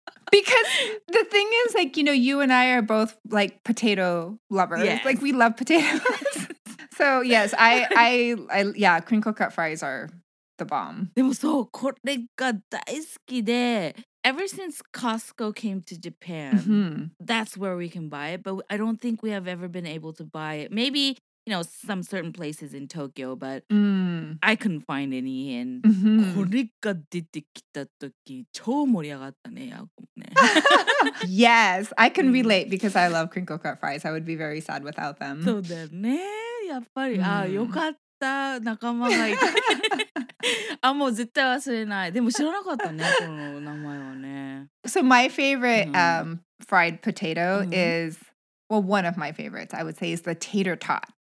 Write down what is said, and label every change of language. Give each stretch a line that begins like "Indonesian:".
English: Because the thing is, like, you know, you and I are both like potato lovers. Yes. Like, we love potatoes. So yes, I yeah, crinkle cut fries are the bomb.
Japanese: でもそう、これが大好きで。
English: Ever since Costco came to Japan, mm-hmm. that's where we can buy it. But I don't think we have ever been able to buy it. Maybe, you know, some certain places in Tokyo, but I couldn't find any.
Japanese: And これが出てきた時、超盛り上がったね、ヤコね。
English: Yes, I can relate because I love crinkle cut fries. I would be very sad without them.
Japanese: そうだね、やっぱり。あ、よかった、仲間がいて。あ、もう絶対忘れない。でも知らなかったね、この名前はね。
English: So my favorite、fried potato、is, well, one of my favorites, I would say, is the tater tot.